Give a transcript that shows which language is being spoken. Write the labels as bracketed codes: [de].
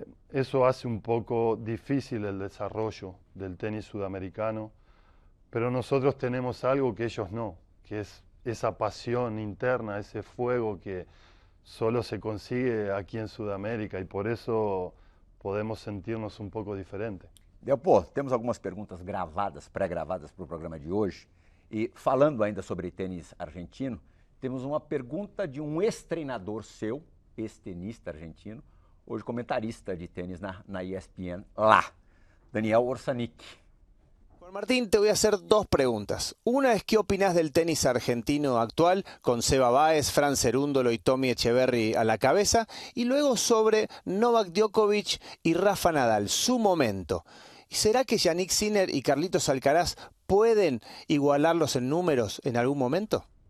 [es] Eso hace un poco difícil el desarrollo del tenis sudamericano, Pero nosotros tenemos algo que ellos no, que es esa pasión interna, ese fuego que solo se consigue aquí en Sudamérica y por eso podemos sentirnos un poco diferente. [pt] Delpo, temos algumas perguntas gravadas, pré-gravadas para o programa de hoje. E falando ainda sobre tênis argentino, temos uma pergunta de um ex-treinador seu, ex-tenista argentino, hoje comentarista de tênis na ESPN, lá, Daniel Orsanic. [es] Martín, te voy a hacer dos preguntas. Una es, ¿qué opinás del tenis argentino actual con Seba Báez, Fran Cerúndolo y Tommy Echeverry a la cabeza? Y luego sobre Novak Djokovic y Rafa Nadal, su momento. ¿Será que Jannik Sinner y Carlitos Alcaraz pueden igualarlos en números en algún momento?